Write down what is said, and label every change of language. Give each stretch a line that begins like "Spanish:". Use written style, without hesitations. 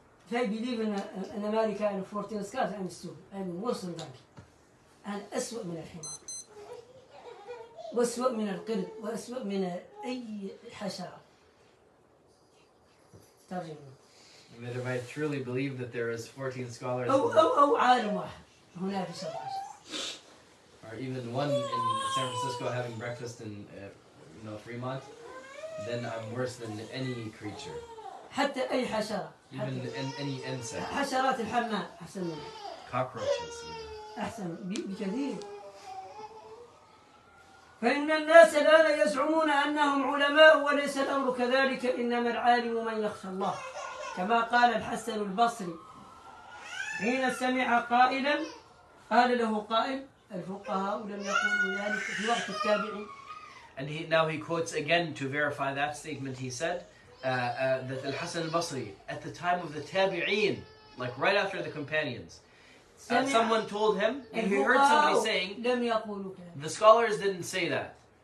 English: If I believe in America and 14 scholars, I'm stupid. I'm worse than that.
Arabic: أنا أسوأ من الحمار وأسوأ من القرد وأسوأ من أي حشرة ترجمة.
English: But if I truly believe that there is 14 scholars
Arabic: أو عالم واحد هنا في سان فرانسيسكو
English: or even one in San Francisco having breakfast in Fremont, then I'm worse than any creature.
Arabic: حتى أي حشرة.
English: Even any insect.
Arabic: حشرات الحمام أحسن مني.
English: Cockroaches.
Arabic: أحسن بكثير. فإن الناس الآن يزعمون أنهم علماء وليس الأمر كذلك إنما العالم من يخشى الله كما قال الحسن البصري حين سمع قائلا قال له قائل الفقهاء لم يقولوا ذلك في وقت التابعين.
English: And now he quotes again to verify that statement. He said that الحسن البصري at the time of the تابعين, like right after the companions, someone told him, and he heard somebody saying, the scholars didn't say that.